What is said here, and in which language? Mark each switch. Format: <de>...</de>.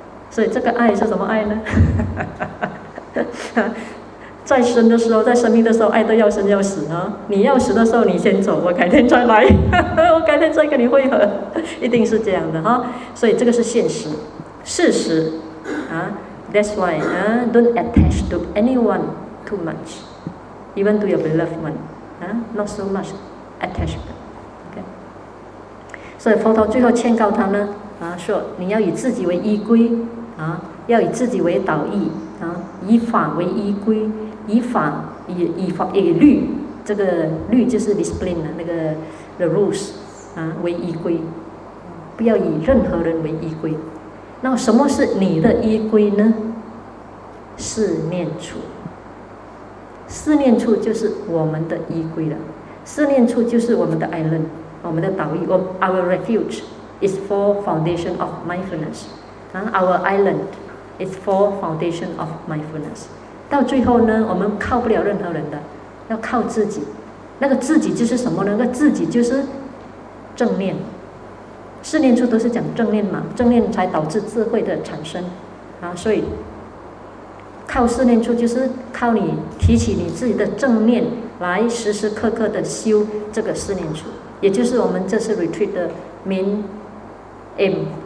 <zh>所以这个爱是什么爱呢？在生的时候，在生命的时候爱的要生要死啊，你要死的时候你先走，我改天再来，我改天再跟你会合，一定是这样的啊。所以这个是现实事实啊。</zh> <en>That's why, don't attach to anyone too much, even to your beloved one, not so much attachment.</en> <zh>Okay. 所以佛陀最后劝告他呢，说你要以自己为依归，要以自己为导义，以法为依归，以法以律，这个律就是 discipline 的那个</zh> <en>the rules,</en> <zh>为依归，不要以任何人为依归。那什么是你的依归呢？四念处，四念处就是我们的依归了。四念处就是我们的 island， 我们的岛屿。</zh> <en>Our refuge is for foundation of mindfulness， Our island is for foundation of mindfulness。</en> <zh>到最后呢，我们靠不了任何人的，要靠自己。那个自己就是什么呢？那个自己就是正念。四念处都是讲正念嘛，正念才导致智慧的产生啊。所以靠四念处，就是靠你提起你自己的正念，来时时刻刻的修这个四念处，也就是我们这次 retreat 的</zh> <en>main aim。</en>